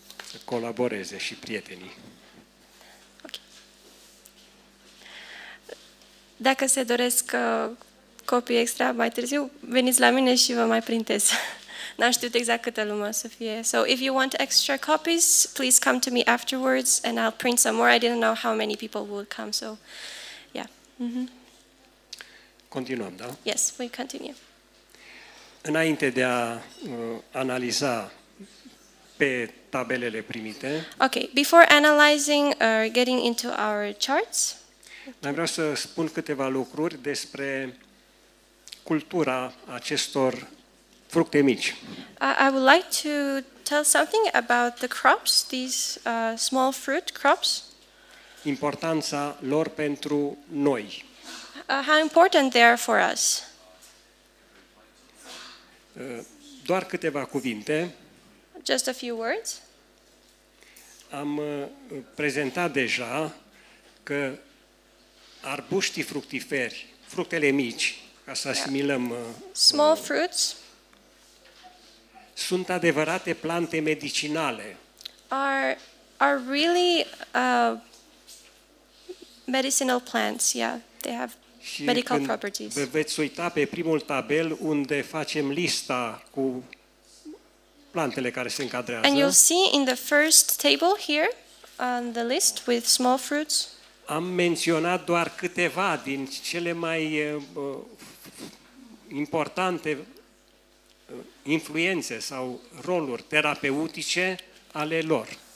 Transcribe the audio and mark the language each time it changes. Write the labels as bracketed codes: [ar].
[ro] Să colaboreze și prietenii. [en] Ok. [ro] Dacă se doresc copii extra mai târziu, veniți la mine și vă mai printez. N-am știut exact câtă lume să fie. [en] So if you want extra copies, please come to me afterwards and I'll print some more. I didn't know how many people would come, so yeah. [ro] Continuăm, da? [en] Yes, we continue. [ro] Înainte de a analiza pe tabelele primite. [en] Okay, before analyzing or getting into our charts. [ro] Mai vreau să spun câteva lucruri despre cultura acestor fructe mici. [en] I would like to tell something about the crops, these small fruit crops. [ro] Importanța lor pentru noi. [en] How important they are for us. [ro] Doar câteva cuvinte. [en] Just a few words. [ro] Am prezentat deja că arbuștii fructiferi, fructele mici, ca să asimilăm [en] small fruits. [ro] Sunt adevărate plante medicinale. [en] Are really medicinal plants, yeah. They have [ro] și [en] medical properties. [ro] Vă veți uita pe primul tabel unde facem lista cu plantele care se încadrează. [en] And you'll see in the first table here on the list with small fruits. [ro] Am menționat doar câteva din cele mai importante influențe sau roluri terapeutice ale lor.